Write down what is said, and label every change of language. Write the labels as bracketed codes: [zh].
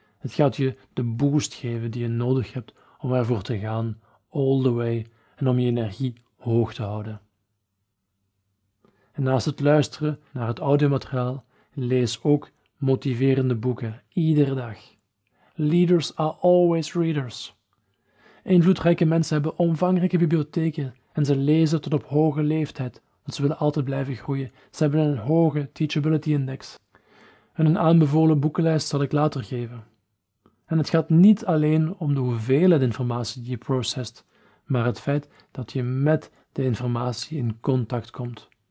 [nl] Het gaat je de boost geven die je nodig hebt om ervoor te gaan, [en] all the way, [nl] en om je energie hoog te houden. En naast het luisteren naar het audiomateriaal, lees ook motiverende boeken, iedere dag. [en] Leaders are always readers. [nl] Invloedrijke mensen hebben omvangrijke bibliotheken en ze lezen tot op hoge leeftijd, want ze willen altijd blijven groeien. Ze hebben een hoge teachability index. En een aanbevolen boekenlijst zal ik later geven. En het gaat niet alleen om de hoeveelheid informatie die je processt, maar het feit dat je met de informatie in contact komt.